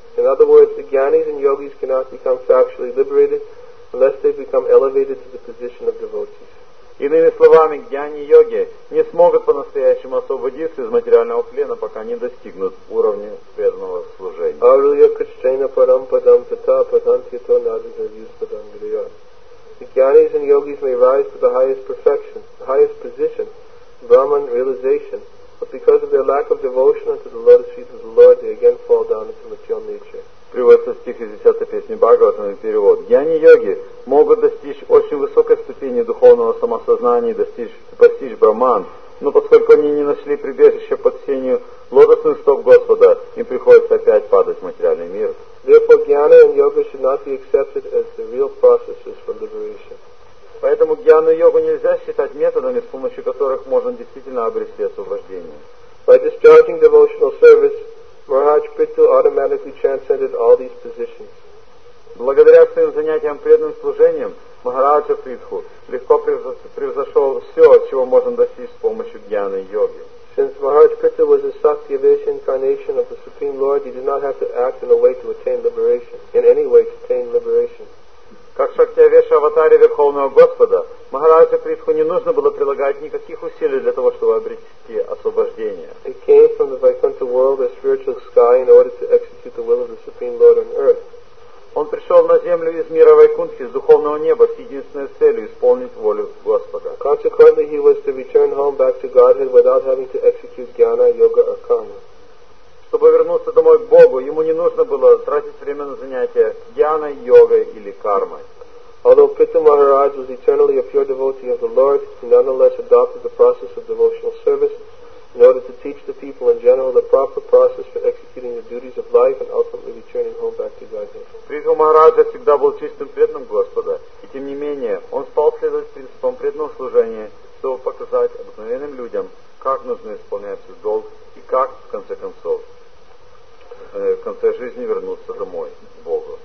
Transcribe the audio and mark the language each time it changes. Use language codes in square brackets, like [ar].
[en] In other words, the jnanis and yogis cannot become factually liberated unless they become elevated to the position of devotees. [ru] Иными словами, джняни и йоги не смогут по-настоящему освободиться из материального плена, пока не достигнут уровня преданного служения. [sa] Arya kshetra param padam tata padantito nadhyus padangriya. [en] The jnanis and yogis may rise to the highest perfection, the highest position, Brahman realization, but because of their lack of devotion unto the lotus feet of the Lord, they again fall down into material nature. [ru] Приводится стих из 10 песни Бхагаватам и перевод. Джняни-йоги могут достичь очень высокой ступени духовного самосознания и постичь Брахман, но поскольку они не нашли прибежище под сенью лотосных стоп Господа, им приходится опять падать в материальный мир. [en] Therefore, jnana and yoga should not be accepted as the real processes for liberation. [ru] Поэтому джняну и йогу нельзя считать методами, с помощью которых можно действительно обрести освобождение. [en] By discharging devotional service, Maharaj Prithu automatically transcended all these positions. [ru] Благодаря своим занятиям преданным служением, Махараджа Притху легко превзошел все, чего можно достичь с помощью джняны и йоги. [en] Since Maharaj Prithu was a Satyavesha incarnation of the Supreme Lord, he did not have to act in a way to attain liberation, in any way to attain liberation. [ru] Как Шактиавеша аватаре Верховного Господа, Махараджа Притху не нужно было прилагать никаких усилий для того, чтобы обрести освобождение. [en] He came from the Vaikuntha world as spiritual sky in order to execute the will of the Supreme Lord on earth. [ru] Он пришел на землю из мира Вайкунтхи, из духовного неба, с единственной целью исполнить волю Господа. [en] Consequently, he was to return home back to Godhead without having to execute jnana, yoga, or karma. [ru] Чтобы вернуться домой к Богу, ему не нужно было тратить время на занятия джняной, йогой или кармой. [en] Although Prithu Maharaj was eternally a pure devotee of the Lord, he nonetheless adopted the process of devotional service in order to teach the people in general the proper process for executing the duties of life and ultimately returning home back to Godhead. [ru] Prithu Maharaj всегда был чистым преданным Господа, и тем не менее он стал следовать принципам преданного служения, чтобы показать обыкновенным людям, как нужно исполнять свой долг и как, в конце концов, в конце жизни вернуться домой к Богу.